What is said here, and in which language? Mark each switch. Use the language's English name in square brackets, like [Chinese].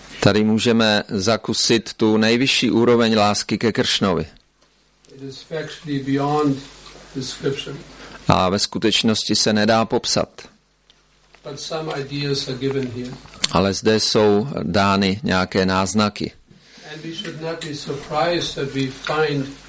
[Czech] Tady můžeme zakusit tu nejvyšší úroveň lásky ke Kršnovi. [English] It is factually beyond description. [Czech] A ve skutečnosti se nedá popsat. [English] But some ideas are given here. [Czech] Ale zde jsou dány nějaké náznaky. [English] And we should not be surprised that we find